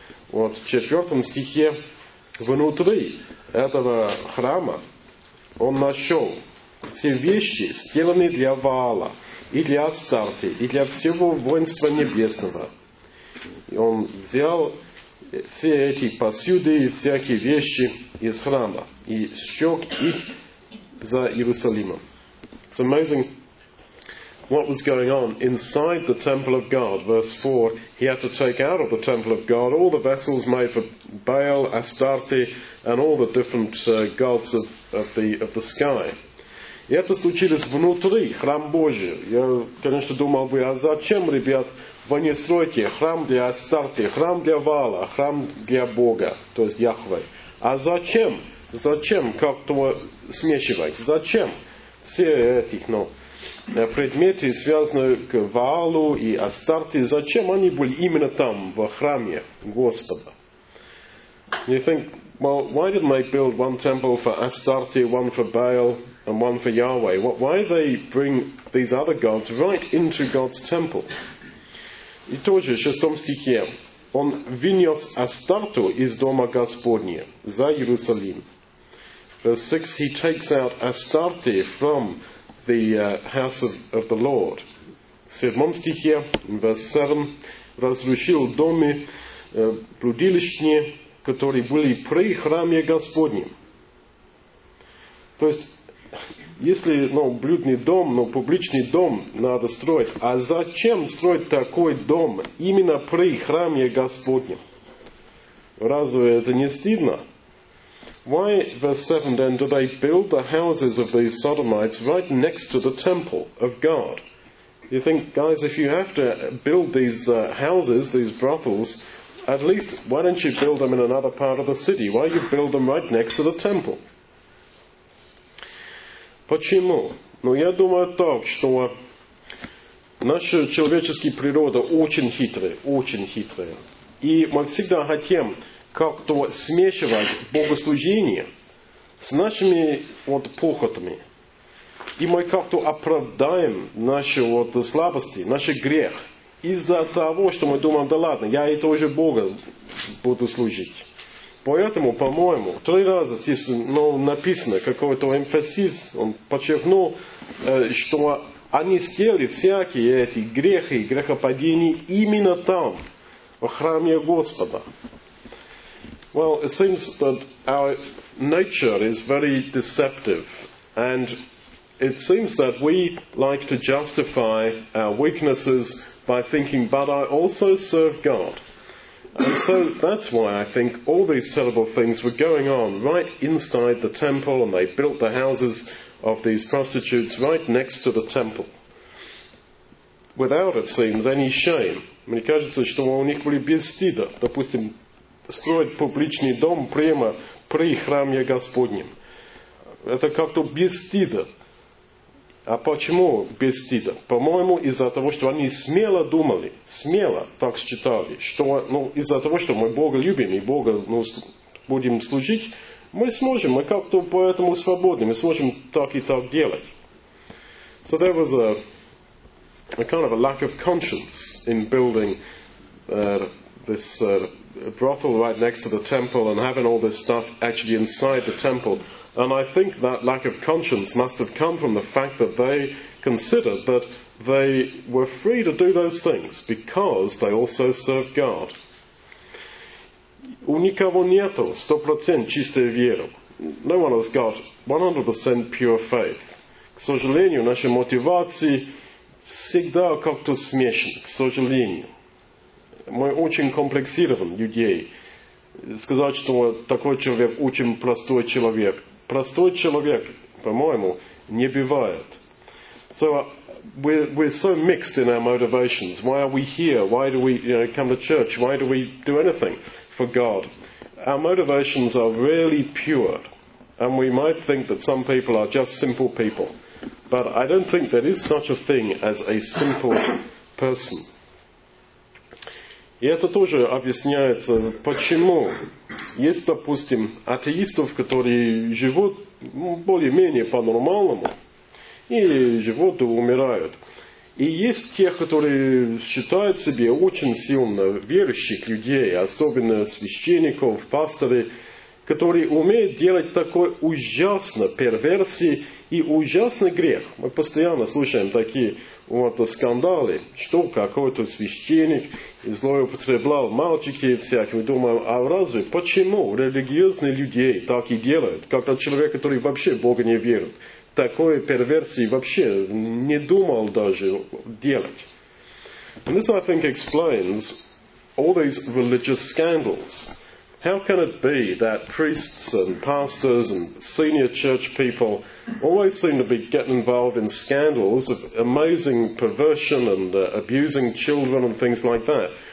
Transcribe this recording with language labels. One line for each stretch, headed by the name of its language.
Russian: Вот в четвертом стихе, внутри этого храма, он нашел все вещи, сделанные для Ваала, и для Астарты, и для всего воинства небесного. И он взял все эти посуды и всякие вещи из храма и сжег их за Иерусалимом.
English: It's amazing what was going on inside the temple of God. Verse 4, he had to take out of the temple of God all the vessels made for Baal, Astarte, and all the different gods of the sky.
Russian: И это случилось внутри храма Божьего. Я, конечно, думал бы, а зачем, ребят, вы не строите храм для Астарте, храм для Вала, храм для Бога, то есть Яхве? А зачем? Зачем как-то смешивать? Зачем все эти предметы, связанные к Ваалу и Астарте, зачем они были именно там, в храме Господа?
English: You think, well, why didn't they build one temple for Astarte, one for Baal, and one for Yahweh? What, why did they bring these other gods right into God's temple?
Russian: И тоже, в шестом стихе, он винес Астарту из дома Господня за Иерусалим.
English: Verse 6, he takes out Astarte from the house of the Lord.
Russian: В седьмом стихе,
English: verse 7,
Russian: разрушил домы блудилищные, которые были при храме Господнем. То есть, если блюдный дом, публичный дом надо строить, а зачем строить такой дом именно при храме Господнем? Разве это не стыдно?
English: Why, verse 7, then, do they build the houses of these Sodomites right next to the temple of God? You think, guys, if you have to build these houses, these brothels, at least, why don't you build them in another part of the city? Why you build them right next to the temple?
Russian: Почему? Я думаю так, что наша человеческая природа очень хитрая, очень хитрая. И мы всегда хотим как-то смешивать богослужение с нашими похотами. И мы как-то оправдаем наши слабости, наш грех. Из-за того, что мы думаем, да ладно, я и тоже Бога буду служить. Поэтому, по-моему, три раза здесь написано какой-то эмфасис, он подчеркнул, что они сделали всякие эти грехи, грехопадения именно там, в храме Господа.
English: Well, it seems that our nature is very deceptive, and it seems that we like to justify our weaknesses by thinking, but I also serve God. And so that's why I think all these terrible things were going on right inside the temple, and they built the houses of these prostitutes right next to the temple. Without, it seems, any shame.
Russian: Мне кажется, что у них были без стыда, допустим, строить публичный дом прямо при храме Господнем. Это как-то без стыда. А почему без стыда? По-моему, из-за того, что они смело думали, смело так считали, что из-за того, что мы Бога любим и Бога будем служить, мы сможем, мы как-то поэтому свободны, мы сможем так и так делать.
English: So there was a kind of a lack of conscience in building this brothel right next to the temple and having all this stuff actually inside the temple. And I think that lack of conscience must have come from the fact that they considered that they were free to do those things because they also served God.
Russian: У никого нету 100% чистой веры.
English: No one has got 100% pure faith.
Russian: К сожалению, наши мотивации всегда как-то смешаны. К сожалению. Мы очень комплексированы, людей. Сказать, что такой человек очень простой человек. Простой человек, по-моему, не бывает.
English: So we're so mixed in our motivations. Why are we here? Why do we come to church? Why do we do anything for God? Our motivations are really pure. And we might think that some people are just simple people. But I don't think there is such a thing as a simple person.
Russian: И это тоже объясняется, почему есть, допустим, атеистов, которые живут более-менее по-нормальному и живут и умирают. И есть те, которые считают себя очень сильно верующих людей, особенно священников, пасторы, которые умеют делать такой ужасно перверсии и ужасный грех. Мы постоянно слушаем такие скандалы, что какой-то священник и злоупотреблял мальчики всякими. Думаем, а разве, почему религиозные люди так и делают, когда человек, который вообще в Бога не верит, такой перверсии вообще не думал даже делать?
English: And this, I think, explains all these religious scandals. How can it be that priests and pastors and senior church people always seem to be getting involved in scandals of amazing perversion and abusing children and things like that?